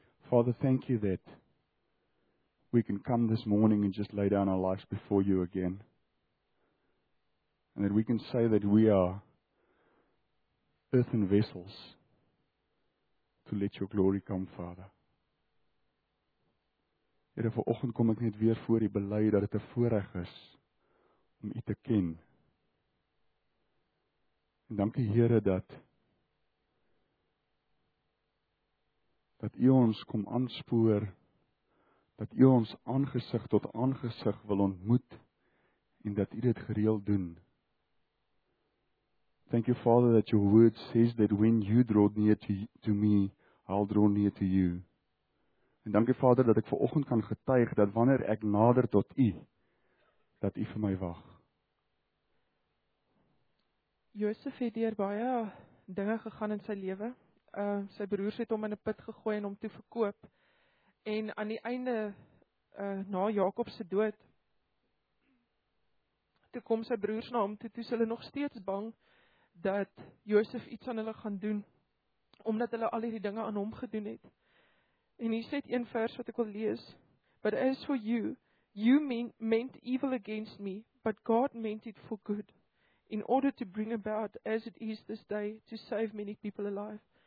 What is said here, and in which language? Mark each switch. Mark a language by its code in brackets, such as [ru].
[en] Father, thank you that we can come this morning and just lay down our lives before you again. And that we can say that we are earthen vessels to let your glory come, Father. [af] Here, vir oggend kom ek net weer voor die bely dat dit 'n voorreg is om u te ken. En dankie Here dat u ons kom aanspoor, dat u ons aangesig tot aangesig wil ontmoet en dat u dit gereeld doen. [en] Thank you Father that your word says that when you draw near to me, I'll draw near to you. [af] En dankie Vader dat ek vanoggend kan getuig dat wanneer ek nader tot u, dat u vir my wag. Josef het deur baie dinge gegaan in sy lewe. Sy broers het hom in 'n put gegooi en hom toe verkoop. En aan die einde, na Jakob se dood, toe kom sy broers na hom toe, toe is hulle nog steeds bang dat Josef iets aan hulle gaan doen, omdat hulle al hierdie dinge aan hom gedoen het. En hier sê een vers wat ek wil lees. [en] But as for you, you meant evil against me, but God meant it for good, in order to bring about, as it is this day, to save many people alive.